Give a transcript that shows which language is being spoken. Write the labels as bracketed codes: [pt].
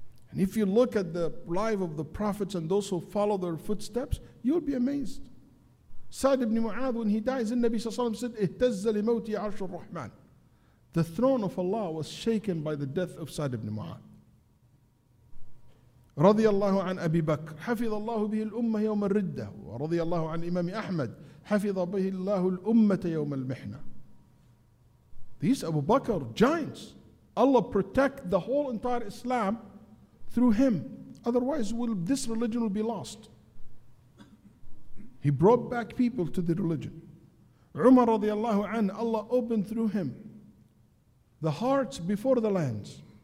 [en] And if you look at the life of the prophets and those who follow their footsteps, you'll be amazed. Sa'd ibn Mu'adh, when he dies, in Nabi Sallallahu Alaihi Wasallam said, [ar] "Ihtazza li mawti 'arsh ar-Rahman." [en] The throne of Allah was shaken by the death of Sa'd ibn Mu'adh. [ar] رضي الله عن أبي بكر حفظ الله به الأمة يوم الردة ورضي الله عن الإمام أحمد حفظ به الله الأمة يوم المحنة. [en] These Abu Bakr, giants. Allah protect the whole entire Islam through him. Otherwise, this religion will be lost. He brought back people to the religion. Umar [ar] رضي الله عن, [en] Allah opened through him the hearts before the lands.